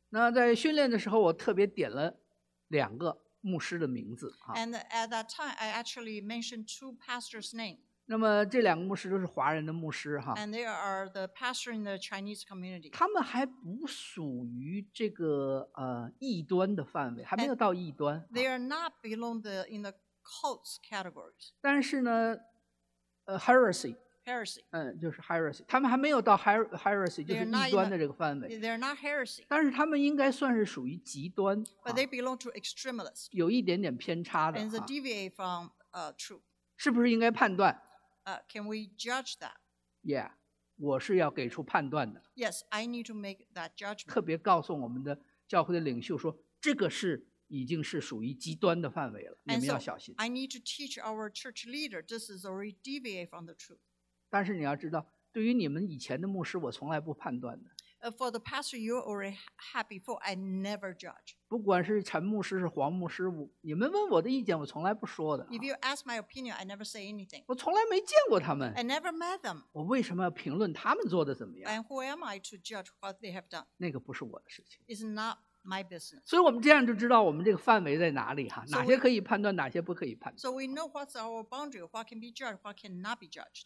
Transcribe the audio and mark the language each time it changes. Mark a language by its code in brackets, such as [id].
[zh] 那在训练的时候，我特别点了两个。牧师的名字。 [en] And at that time, I actually mentioned two pastors' names. [zh] 那么这两个牧师都是华人的牧师。 [en] And they are the pastor in the Chinese community. [zh] 他们还不属于这个异端的范围，还没有到异端。 [en] And they are not belong in the cults categories. [zh] 但是呢heresy. 就是 heresy， 他们还没有到 heresy， 就是异端的这个范围。 [en] They're not heresy， [zh] 但是他们应该算是属于极端。 [en] But they belong to extremists， [zh] 有一点点偏差的。 [en] And they deviate from truth， [zh] 是不是应该判断？ [en] Can we judge that？ [zh] Yeah， 我是要给出判断的。 [en] Yes， I need to make that judgment。 [zh] 特别告诉我们的教会的领袖说，这个是已经是属于极端的范围了，你们要小心。 [en] I need to teach our church leader this is already deviate from the truth。 [zh] 但是你要知道，对于你们以前的牧师，我从来不判断的。 [en] For the pastor you already had before, I never judge. [zh] 不管是陈牧师是黄牧师，你们问我的意见，我从来不说的。 [en] If you ask my opinion, I never say anything. [zh] 我从来没见过他们。 [en] I never met them. [zh] 我为什么要评论他们做的怎么样 [en] ？And who am I to judge what they have done? [zh] 那个不是我的事情。 [en] It's not my business. [zh] 所以我们这样就知道我们这个范围在哪里哈，哪些可以判断，哪些不可以判断。 [en] So we know what's our boundary, what can be judged, what cannot be judged.